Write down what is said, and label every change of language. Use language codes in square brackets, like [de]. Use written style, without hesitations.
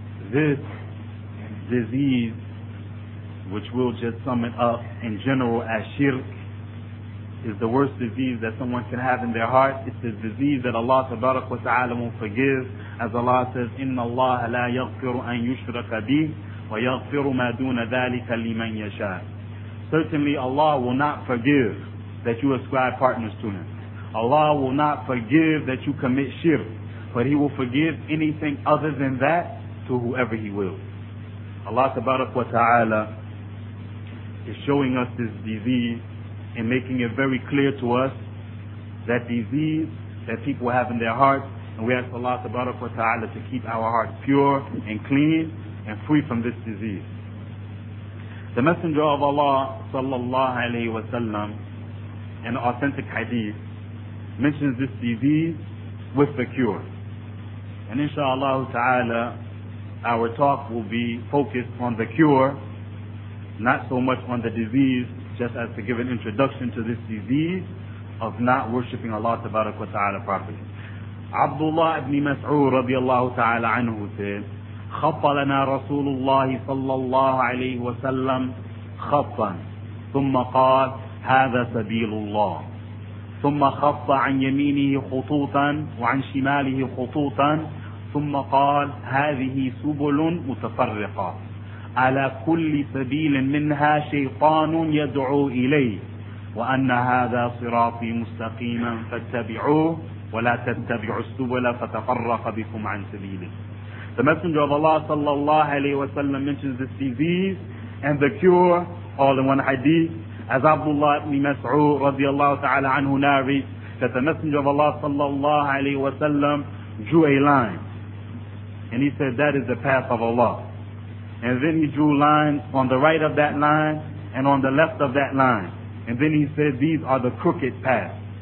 [en] This disease, which we'll just sum it up in general as shirk, is the worst disease that someone can have in their heart. It's the disease that Allah tabarak wa ta'ala won't forgive. As Allah says, [ar] إِنَّ اللَّهَ لَا يَغْفِرُ أَن يُشْرَكَ بِهِ وَيَغْفِرُ مَا دُونَ ذَلِكَ لِمَنْ يَشَاءُ. [en] Certainly Allah will not forgive that you ascribe partners to Him. Allah will not forgive that you commit shirk, but He will forgive anything other than that to whoever He will. Allah tabarak wa ta'ala is showing us this disease and making it very clear to us, that disease that people have in their hearts, and we ask Allah tabarak wa ta'ala to keep our hearts pure and clean and free from this disease. The Messenger of Allah sallallahu alayhi wa sallam, in authentic hadith, mentions this disease with the cure. And inshallah ta'ala, our talk will be focused on the cure, not so much on the disease, just as to give an introduction to this disease of not worshipping Allah tabarak wa ta'ala properly. Abdullah ibn Mas'ud radiallahu ta'ala anhu said, [ar] خط لنا رسول الله صلى الله عليه وسلم خطا ثم قال هذا سبيل الله، ثم خط عن يمينه خطوطا وعن شماله خطوطا ثم قال هذه سبل متفرقة، على كل سبيل منها شيطان يدعو إليه، وأن هذا صراطي مستقيما فاتبعوه ولا تتبعوا السبل فتفرق بكم عن سبيله. [en] The Messenger of Allah sallallahu alayhi wa sallam mentions this disease and the cure all in one hadith. As Abdullah ibn Mas'ud radiallahu ta'ala anhu narrates that the Messenger of Allah sallallahu alayhi wa sallam drew a line and he said that is the path of Allah, and then he drew lines on the right of that line and on the left of that line, and then he said these are the crooked paths.